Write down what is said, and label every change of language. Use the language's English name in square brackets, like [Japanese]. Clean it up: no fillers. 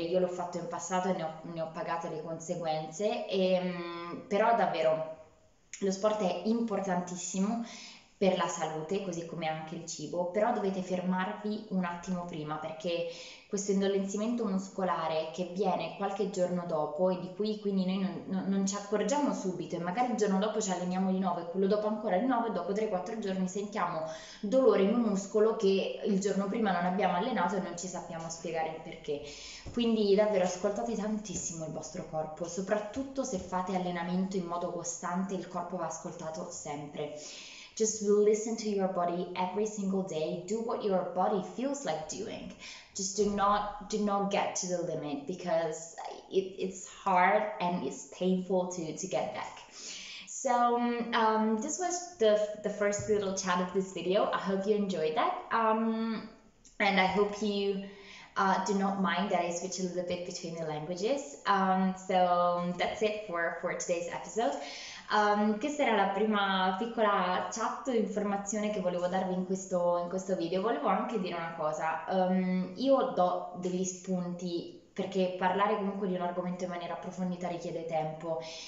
[Italian] Io l'ho fatto in passato e ne ho pagate le conseguenze, e, però davvero lo sport è importantissimo per la salute, così come anche il cibo, però dovete fermarvi un attimo prima, perché questo indolenzimento muscolare che viene qualche giorno dopo e di cui quindi noi non ci accorgiamo subito, e magari il giorno dopo ci alleniamo di nuovo e quello dopo ancora di nuovo e dopo 3-4 giorni sentiamo dolore in un muscolo che il giorno prima non abbiamo allenato e non ci sappiamo spiegare il perché. Quindi davvero ascoltate tantissimo il vostro corpo, soprattutto se fate allenamento in modo costante, il corpo va ascoltato sempre. [English] Just listen to your body every single day. Do what your body feels like doing. Just do not get to the limit, because it's hard and it's painful to get back. So this was the first little chat of this video. I hope you enjoyed that. And I hope you do not mind that I switch a little bit between the languages. So that's it for today's episode. [Italian] Questa era la prima piccola chat o informazione che volevo darvi in questo video. Volevo anche dire una cosa, io do degli spunti, perché parlare comunque di un argomento in maniera approfondita richiede tempo.